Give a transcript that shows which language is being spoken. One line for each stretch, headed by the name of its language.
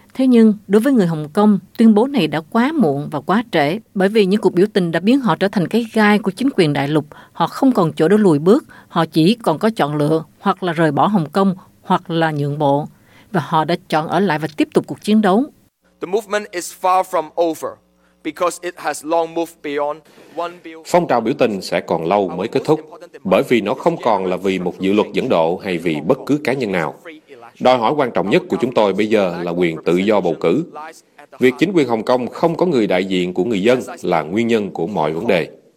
Vietnamese: Thế nhưng, đối với người Hồng Kông, tuyên bố này đã quá muộn và quá trễ bởi vì những cuộc biểu tình đã biến họ trở thành cái gai của chính quyền đại lục. Họ không còn chỗ để lùi bước, họ chỉ còn có chọn lựa hoặc là rời bỏ Hồng Kông hoặc là nhượng bộ. Và họ đã chọn ở lại và tiếp tục cuộc chiến đấu.
English: The movement is far from over because it has long moved beyond one bill.
Vietnamese: Phong trào biểu tình sẽ còn lâu mới kết thúc bởi vì nó không còn là vì một dự luật dẫn độ hay vì bất cứ cá nhân nào. Đòi hỏi quan trọng nhất của chúng tôi bây giờ là quyền tự do bầu cử. Việc chính quyền Hồng Kông không có người đại diện của người dân là nguyên nhân của mọi vấn đề.